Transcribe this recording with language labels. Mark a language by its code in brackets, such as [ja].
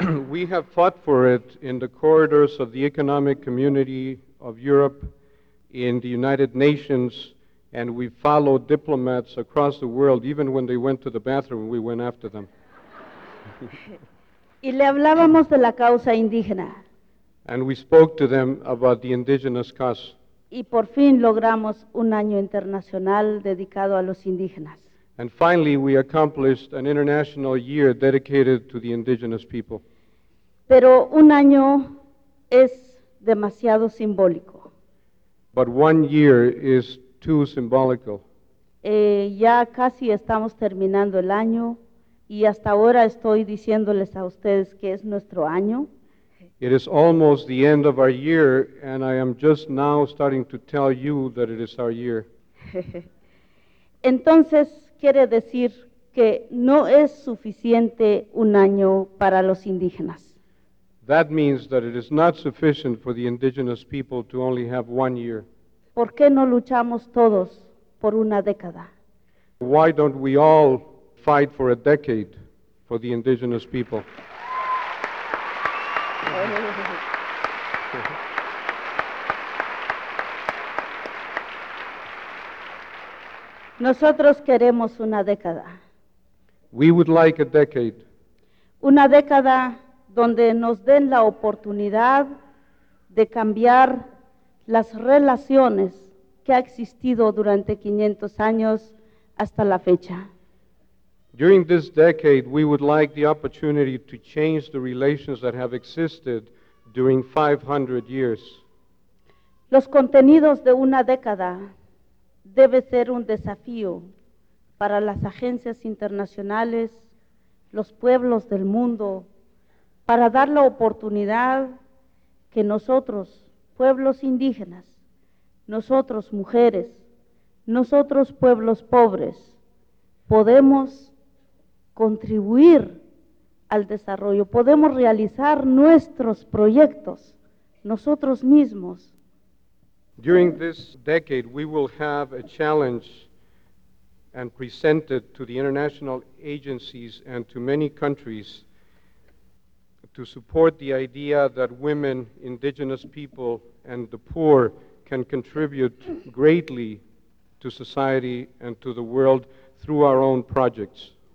[en] We have fought for it in the corridors of the Economic Community of Europe, in the United Nations, and we followed diplomats across the world, even when they went to the bathroom, we went after them. [es] Y le hablábamos de la causa indígena. [en] And we spoke to them about the indigenous cause. [es] Y por fin logramos un año internacional dedicado a los indígenas. [en] And finally, we accomplished an international year dedicated to the indigenous people. [es] Pero un año es demasiado simbólico. [en] But one year is too symbolical. [es] Ya casi estamos terminando el año y hasta ahora estoy diciéndoles a ustedes que es nuestro año. [en] It is almost the end of our year and I am just now starting to tell you that it is our year. [es] Entonces quiere decir que no es suficiente un año para los indígenas. [en] That means that it is not sufficient for the indigenous people to only have one year. [es] ¿Por qué no luchamos todos por una década? [en] Why don't we all fight for a decade for the indigenous people? [es] Nosotros queremos una década. [en] We would like a decade. [es] Una década donde nos den la oportunidad de cambiar las relaciones que ha existido durante 500 años hasta la fecha. [en] During this decade, we would like the opportunity to change the relations that have existed during 500 years. [es] Los contenidos de una década debe ser un desafío para las agencias internacionales, los pueblos del mundo, para dar la oportunidad que nosotros, pueblos indígenas, nosotros, mujeres, nosotros, pueblos pobres, podemos contribuir al desarrollo, podemos realizar nuestros proyectos, nosotros mismos. [en] During this decade, we will have a challenge and present it to the international agencies and to many countries to support the idea that women, indigenous people, and the poor can contribute greatly to society and to the world through our own projects.